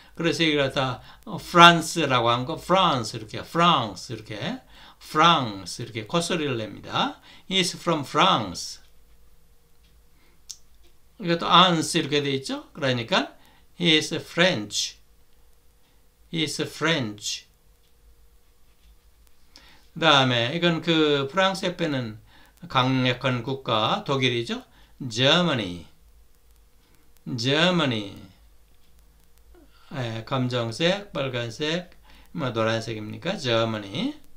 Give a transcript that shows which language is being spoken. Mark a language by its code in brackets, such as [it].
[ko] 그래서 이걸 다 France라고 한 거, France, 이렇게, France, 이렇게, France, 이렇게 코소리를 냅니다. [en] He's from France. [ko] 이것도 ans 이렇게 되어 있죠? 그러니까 [en] he is French. He is French. [ko] 그 다음에 이건 그 프랑스에 빼는 강력한 국가 독일이죠? [en] Germany. Germany. [ko] 예, 검정색, 빨간색, 뭐 노란색입니까? Germany.